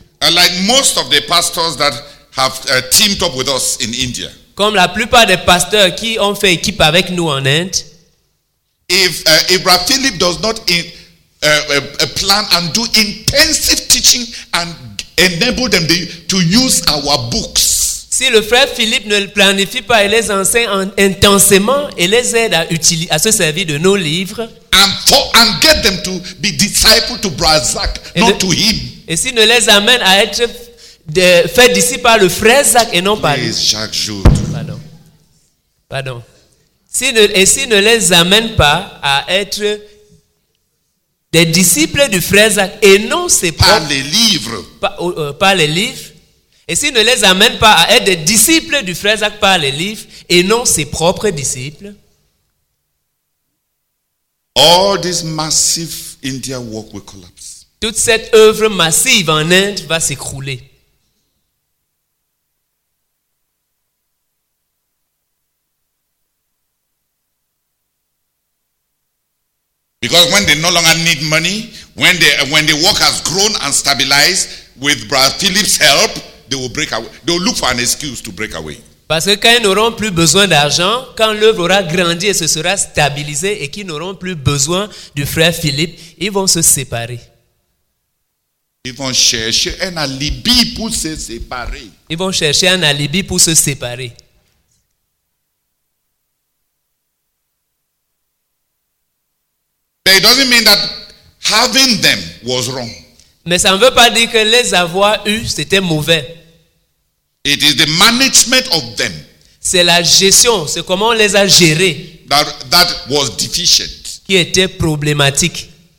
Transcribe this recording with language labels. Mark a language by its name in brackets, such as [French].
[English] like most of the pastors that have teamed up with us in India. [French] Comme la plupart des pasteurs qui ont fait équipe avec nous en Inde. [English] If Brother Philip does not in, a plan and do intensive teaching and enable them to use our books. [French] Si le frère Philippe ne planifie pas et les enseigne intensément et les aide à se servir de nos livres. [English] And get them to be disciples to Brazac, not to him. [French] Et s'il ne les amène à être fait d'ici par le frère Zach et non par lui. Chaque jour. Pardon. S'il ne les amène pas à être des disciples du frère Zach et non ses propres. Par les livres. Par les livres. Et s'il ne les amène pas à être des disciples du frère Zach par les livres et non ses propres disciples. [English] All this massive India work will collapse. [French] Toute cette œuvre massive en Inde va s'écrouler. [English] Because when they no longer need money, when the work has grown and stabilized with Brother Philip's help, they will break away. They will look for an excuse to break away. [French] Parce que quand ils n'auront plus besoin d'argent, quand l'œuvre aura grandi et se sera stabilisée et qu'ils n'auront plus besoin du frère Philippe, ils vont se séparer. Ils vont chercher un alibi pour se séparer. Ils vont chercher un alibi pour se séparer. [English] It doesn't mean that having them was wrong. [French] Mais ça ne veut pas dire que les avoir eu, c'était mauvais. [English] It is the management of them. [French] C'est la gestion, c'est comment on les a gérés. [English] That was deficient. [French] Qui était problématique.